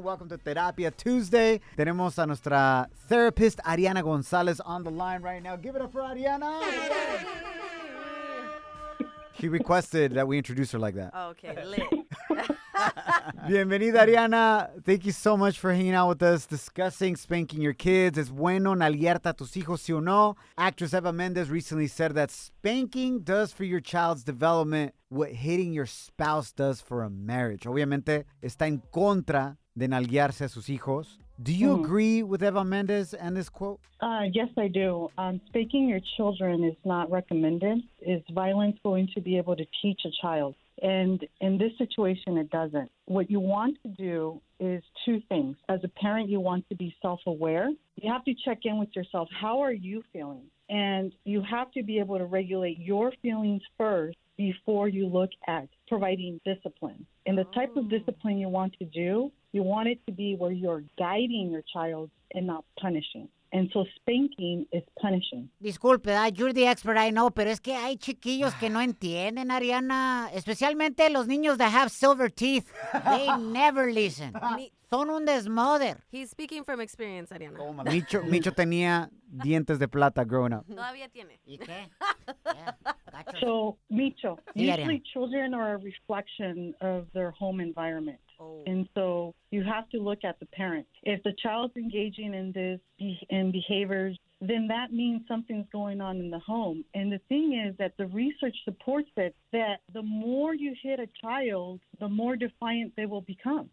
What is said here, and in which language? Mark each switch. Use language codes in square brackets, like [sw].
[en] Welcome to Terapia Tuesday. [es] Tenemos a nuestra [en] therapist, Ariana Gonzalez, on the line right now. Give it up for Ariana. She requested that we introduce her like that. Okay, lit. [es] Bienvenida, Ariana. [en] Thank you so much for hanging out with us, discussing spanking your kids. [es] ¿Es bueno nalguearte a tus hijos, sí o no? [en] Actress Eva Mendez recently said that spanking does for your child's development what hitting your spouse does for a marriage. [es] Obviamente, está en contra de nalguearse a sus hijos. [en] Do you agree with Eva Mendez and this quote? Yes, I do. Spanking your children is not recommended. Is violence going to be able to teach a child? And in this situation, it doesn't. What you want to do is two things. As a parent, you want to be self-aware. You have to check in with yourself. How are you feeling? And you have to be able to regulate your feelings first before you look at providing discipline. And the type of discipline you want to do, you want it to be where you're guiding your child and not punishing. And so spanking is punishing. [es] Disculpe, [en] you're the expert, I know, [es] pero es que hay chiquillos que no entienden, Ariana. Especialmente los niños [en] that have silver teeth. They never listen. [es] Son un desmoder. [en] He's speaking from experience, Ariana. [es] Oh, Micho tenía dientes de plata [en] growing up. [es] Todavía tiene. ¿Y qué? [en] Yeah. So, Micho, [es] sí, [en] usually Ariana. Children are a reflection of their home environment. And so you have to look at the parent. If the child's engaging in this in behaviors, then that means something's going on in the home. And the thing is that the research supports it, that the more you hit a child, the more defiant they will become.